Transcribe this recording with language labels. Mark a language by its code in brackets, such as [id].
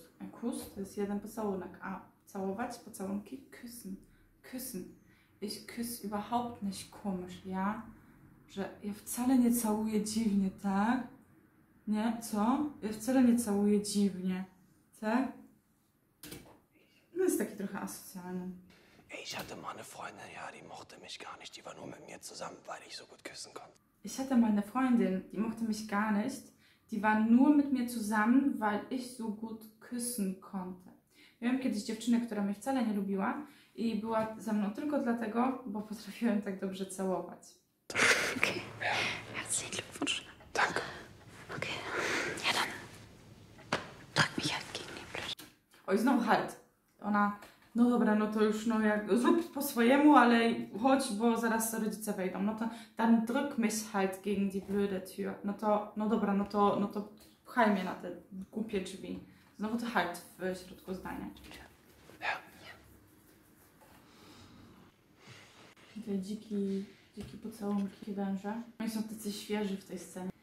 [pl] Kuss to jest jeden pocałunek, a całować, pocałunki, küssen. [de] Ich küss überhaupt nicht komisch, ja? [pl] Że ja wcale nie całuję dziwnie, tak? Nie? Co? Ja wcale nie całuję dziwnie, tak? No jest taki trochę asocjalny. [de] Ich hatte mal eine Freundin, ja, die mochte mich gar nicht, die war nur mit mir zusammen, weil ich so gut küssen konnte. Ich hatte mal eine Freundin, die mochte mich gar nicht, die war nur mit mir zusammen, weil ich so gut küssen konnte. [pl] Miałem kiedyś dziewczynę, która mnie wcale nie lubiła i była ze mną tylko dlatego, bo potrafiłem tak dobrze całować. [de] Okej. Okay. Herzlichen Glückwunsch. [pl] Tak. [de] Okej. Okay. Ja dann. Drück mich entgegen, [pl] proszę. Oj, znowu halt. Ona, no dobra, no to już no jak zrób po swojemu, ale chodź, bo zaraz rodzice wejdą. No to [de] dann drück mich halt gegen die blöde Tür. [pl] No to, no dobra, no to pchaj mnie na te głupie drzwi. Znowu to halt w środku zdania. [de] Ja. [pl] Te dziki pocałunki węża. Oni są tacy świeży w tej scenie.